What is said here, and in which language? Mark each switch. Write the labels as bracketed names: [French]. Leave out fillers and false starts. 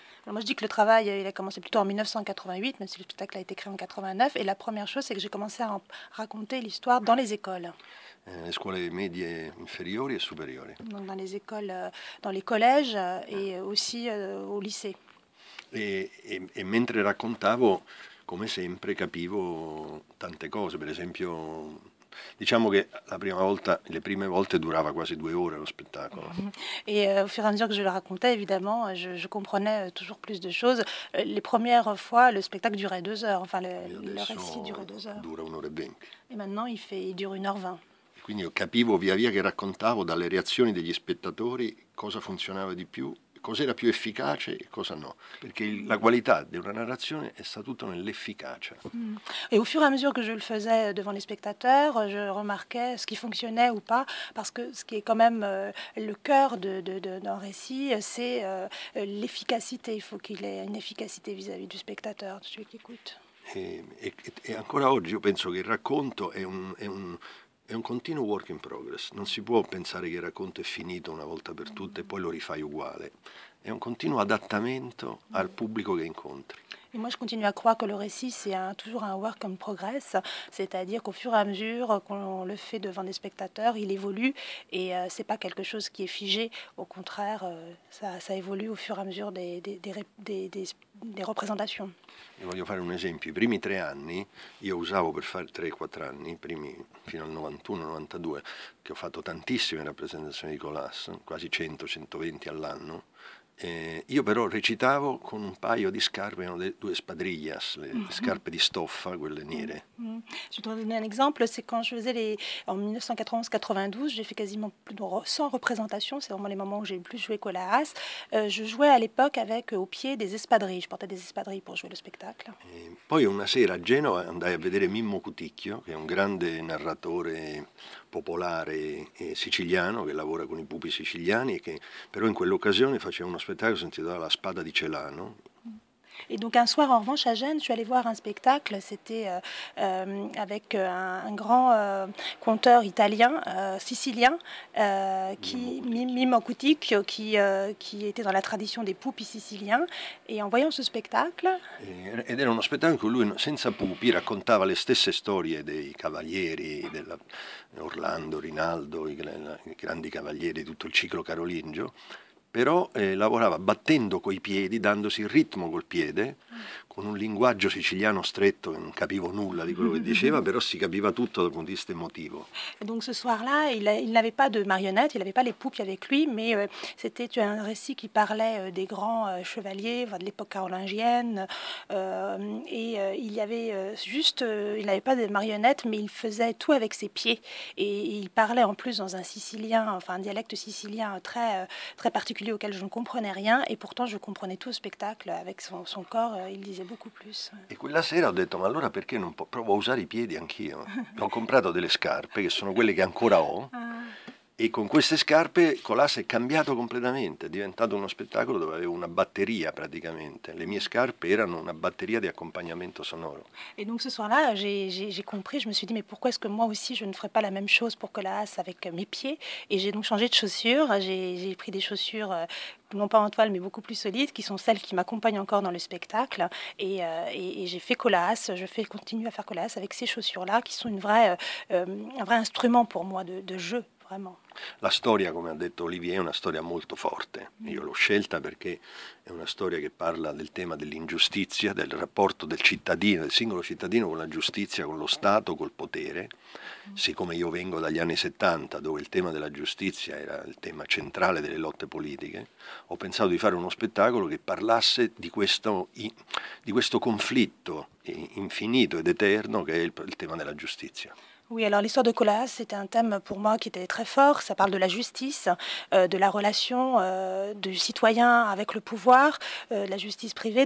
[French] Moi, je dis que le travail il a commencé plutôt en 1988, même si le spectacle a été créé en 89. Et la première chose, c'est que j'ai commencé à raconter l'histoire dans les écoles. [Italian] Les scuole medie inferiori e superiori. [French] Donc dans les écoles, dans les collèges et aussi au lycée. [Italian] Et mentre raccontavo, come sempre, capivo tante cose. Per esempio, diciamo che la prima volta, le prime volte durava quasi 2 ore lo spettacolo. [French] Et au fur et à mesure que je le racontais, évidemment, je comprenais toujours plus de choses. Les premières fois, le spectacle durait 2 heures. Enfin, le récit durait 2 heures. [Italian] Dura 1 ora e 20. [French] Et maintenant, il dure 1 heure 20. [Italian] Et quindi, io capivo via via che raccontavo, dalle reazioni degli spettatori, cosa funzionava di più, cos'era più efficace e cosa no, perché la qualità di una narrazione è stata tutta nell'efficacia. [French] Et au fur et à mesure que je le faisais devant les spectateurs, je remarquais ce qui fonctionnait ou pas, parce que ce qui est quand même le cœur d'un récit, c'est l'efficacité. Il faut qu'il ait une efficacité vis-à-vis du spectateur, celui qui écoute. [Italian] E ancora oggi io penso che il racconto è un continuo work in progress. Non si può pensare che il racconto è finito una volta per tutte e poi lo rifai uguale. È un continuo adattamento al pubblico che incontri. [French] Et moi, je continue à croire que le récit, c'est toujours un work in progress, c'est-à-dire qu'au fur et à mesure qu'on le fait devant des spectateurs, il évolue et c'est pas quelque chose qui est figé. Au contraire, ça évolue au fur et à mesure des représentations. [Italian] Io voglio fare un esempio. I primi tre anni, io usavo per fare 3-4 anni, i primi fino al 91-92, che ho fatto tantissime rappresentazioni di Colas, quasi 100-120 all'anno. Io però recitavo con un paio di scarpe, due spadrillas, le scarpe di stoffa, quelle nere. [French] Je dois donner un exemple, c'est quand je faisais en 1991-92, j'ai fait quasiment plus de 100 représentations, c'est vraiment les moments où j'ai le plus joué Colas. Je jouais à l'époque avec au pied des espadrilles, je portais des espadrilles pour jouer le spectacle. [Italian] Poi una sera a Genova andai a vedere Mimmo Cuticchio, che è un grande narratore popolare e siciliano che lavora con i pupi siciliani e che però in quell'occasione faceva uno spettacolo sentito dalla spada di Celano. [French] Et donc un soir en revanche à Gênes, je suis allée voir un spectacle, c'était avec un grand conteur italien, sicilien, Mimmo Cuticchio, qui était dans la tradition des pupi siciliens, et en voyant ce spectacle... [Italian] Ed era uno spettacolo lui, senza pupi, raccontava le stesse storie dei cavalieri, Orlando, Rinaldo, i grandi cavalieri, tutto il ciclo carolingio, però lavorava battendo coi piedi, dandosi il ritmo col piede, con un linguaggio siciliano stretto, non capivo nulla di quello che diceva, però si capiva tutto dal punto di vista emotivo. [French] Donc ce soir-là, il n'avait pas de marionnette, il n'avait pas les poupées avec lui, mais c'était un récit qui parlait des grands chevaliers, de l'époque carolingienne, et il y avait il n'avait pas de marionnette, mais il faisait tout avec ses pieds, et il parlait en plus dans un sicilien, enfin un dialecte sicilien très, très particulier, auquel je ne comprenais rien et pourtant je comprenais tout au spectacle avec son corps, il disait beaucoup plus. [Italian] Et quella sera ho detto, ma allora perché non provo a usare i piedi anch'io? Ho comprato delle scarpe che sono quelle che ancora ho. E con queste scarpe Colas è cambiato completamente, è diventato uno spettacolo dove avevo una batteria praticamente. Le mie scarpe erano una batteria di accompagnamento sonoro. [French] E donc ce soir-là, j'ai compris, je me suis dit, mais pourquoi est-ce que moi aussi je ne ferais pas la même chose pour Colas avec mes pieds? Et j'ai donc changé de chaussures, j'ai pris des chaussures, non pas en toile, mais beaucoup plus solides, qui sont celles qui m'accompagnent encore dans le spectacle. Et j'ai fait Colas, continue à faire Colas avec ces chaussures-là, qui sont un vrai instrument pour moi de jeu. [Italian] La storia, come ha detto Olivier, è una storia molto forte. Io l'ho scelta perché è una storia che parla del tema dell'ingiustizia, del rapporto del cittadino, del singolo cittadino con la giustizia, con lo Stato, col potere. Siccome io vengo dagli anni 70, dove il tema della giustizia era il tema centrale delle lotte politiche, ho pensato di fare uno spettacolo che parlasse di questo conflitto infinito ed eterno che è il tema della giustizia. [French] Oui, alors l'histoire de Colas, c'était un thème pour moi qui était très fort. Ça parle de la justice, de la relation du citoyen avec le pouvoir, de la justice privée.